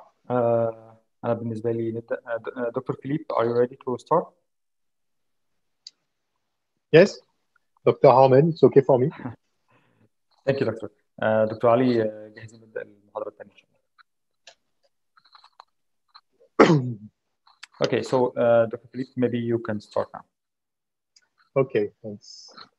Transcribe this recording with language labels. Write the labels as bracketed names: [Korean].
[Arabic] أنا بالنسبة لي [English] Doctor Philip, are you ready to start? Yes, doctor هامن، it's okay for me. Thank you, doctor. [Arabic] دكتور علي، جاهزين نبدأ المحاضرة الثانية إن شاء الله. [English] Okay, so Dr. Philippe, maybe you can start now. Okay, thanks.